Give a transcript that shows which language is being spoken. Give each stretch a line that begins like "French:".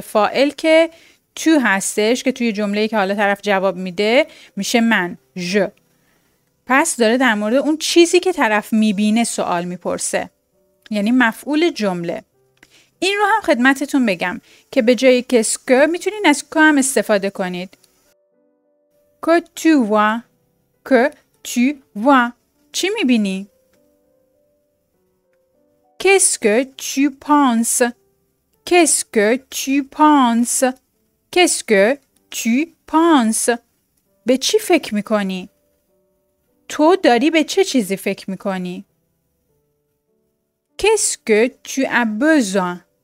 Persian: فاعل که تو هستش، که توی جمله‌ای که حالا طرف جواب میده میشه من، je. پس داره در مورد اون چیزی که طرف میبینه سوال میپرسه، یعنی مفعول جمله. این رو هم خدمتتون بگم که به جای qu'est-ce que میتونین از که هم استفاده کنید.
French: Que tu vois?
Persian: چی میبینی؟
French: Qu'est-ce que tu penses?
Persian: به چی فکر میکنی؟ تو داری به چه چیزی فکر میکنی؟
French: Qu'est-ce que tu as besoin?